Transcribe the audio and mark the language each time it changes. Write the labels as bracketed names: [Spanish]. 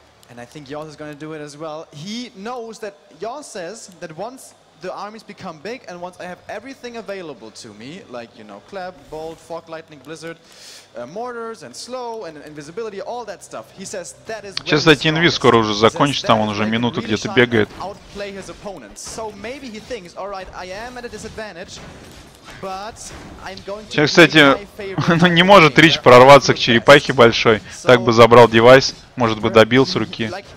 [English] And I think Yoss is going to do it as well. He knows that Yoss says that once the armies become big and once I have everything available to me, like, you know, Cleb, Bolt, Fog, Lightning, Blizzard, mortars and slow and invisibility, all that stuff. He says that is when [Russian] Сейчас эти инвиз скоро уже закончится, там он уже минуту где-то бегает. [English] Outplay his opponents. So maybe he thinks, all right, I am at a disadvantage. [Russian] Сейчас, кстати, не может Рич прорваться к черепахе большой. Так бы забрал девайс, может бы добил с руки.